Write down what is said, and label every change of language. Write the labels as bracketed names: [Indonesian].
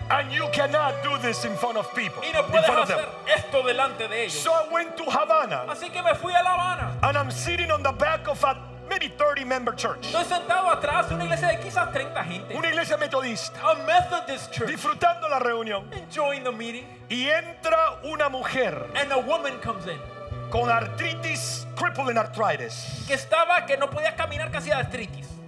[English] And you cannot do this in front of people. [Spanish] Y no puedes hacer esto delante de ellos. [English] So I went to Havana. [Spanish] Así que me fui a La Habana. [English] And I'm sitting on the back of a maybe 30 member church. [Spanish] Estoy sentado atrás de una iglesia de quizás 30 gente. Una iglesia metodista. [English] A Methodist church. [Spanish] Disfrutando la reunión. [English] Enjoying the meeting. [Spanish] Y entra una mujer. [English] And a woman comes in. [Spanish] Con artritis, [English] crippling arthritis. [Spanish] Que estaba que no podía caminar, casi de artritis.